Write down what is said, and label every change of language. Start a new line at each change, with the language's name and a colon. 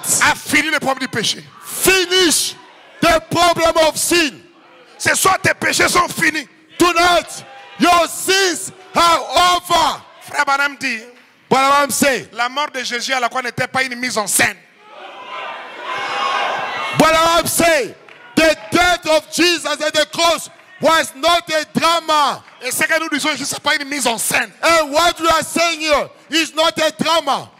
French: a fini le problème du péché.
English: Finish the problem of sin.
French: Ce soir, tes péchés sont finis.
English: Tonight, your sins are over.
French: Frère Branham dit,
English: Branham say,
French: la mort de Jésus à la croix n'était pas une mise en scène.
English: Branham say, the death of Jesus at the cross was not a drama.
French: Et ce que nous disons ici, ce n'est pas une mise en scène.
English: And what we are saying here is not a drama.